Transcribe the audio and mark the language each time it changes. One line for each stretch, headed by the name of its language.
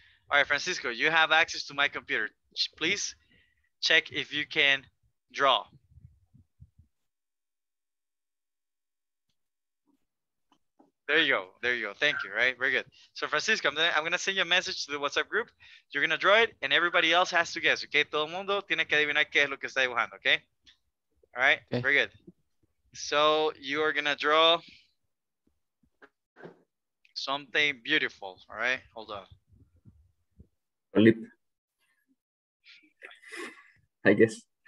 English: All right, Francisco, you have access to my computer. Please check if you can draw. There you go. There you go. Thank you. Right. Very good. So Francisco, I'm going to send you a message to the WhatsApp group. You're going to draw it and everybody else has to guess. Okay.
Spanish: Todo el mundo tiene que adivinar qué es lo que está dibujando.
English: Okay. All right. Okay. Very good. So you are going to draw something beautiful. All right. Hold on. A lip. I guess.